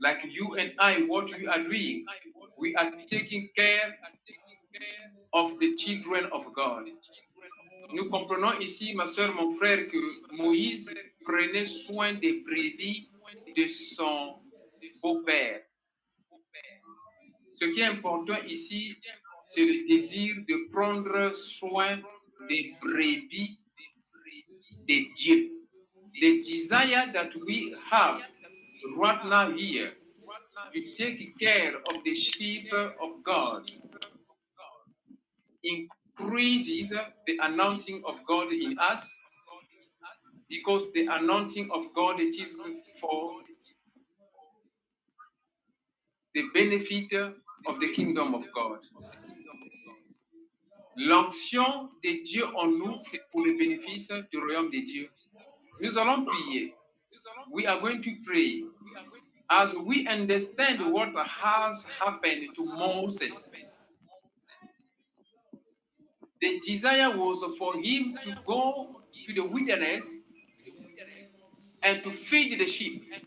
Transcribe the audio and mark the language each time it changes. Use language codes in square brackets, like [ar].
[en] Like you and I, what we are doing, we are taking care of the children of God. [fr] Nous comprenons ici, ma soeur, mon frère, que Moïse prenait soin des brebis de son beau-père. Ce qui est important ici, c'est le désir de prendre soin des brebis de Dieu. [en] The desire that we have right now here to take care of the sheep of God increases the anointing of God in us, because the anointing of God, it is for the benefit of the kingdom of God. [fr] L'onction de Dieu en nous, c'est pour le bénéfice du royaume de Dieu. Nous allons prier. [en] We are going to pray. As we understand what has happened to Moses, the desire was for him to go to the wilderness and to feed the sheep.